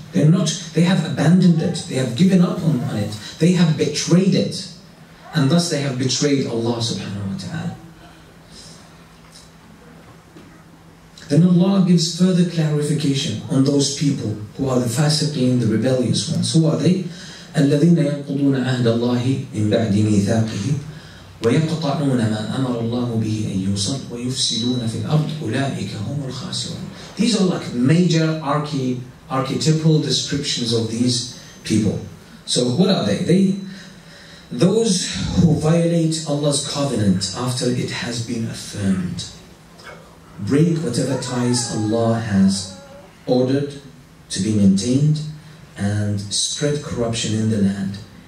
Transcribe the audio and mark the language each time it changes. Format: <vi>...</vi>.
<en>They have abandoned it. They have given up on it. They have betrayed it. And thus they have betrayed Allah subhanahu wa ta'ala. Then Allah gives further clarification on those people who are the fasiqeen, the rebellious ones. Who are they?</en> <ar>الَّذِينَ يَنْقُضُونَ عَهْدَ اللَّهِ مِنْ بَعْدِ مِيثَاقِهِ وَيَقْطَعُونَ مَا أَمَرَ اللَّهُ بِهِ أَنْ يُوصَلْ وَيُفْسِدُونَ فِي الْأَرْضِ أُولَٰئِكَ هُمُ الْخَاسِرُونَ</ar> <en>These are like major archetypal descriptions of these people. So what are they? Those who violate Allah's covenant after it has been affirmed. Break whatever ties Allah has ordered to be maintained and spread corruption in the land.</en>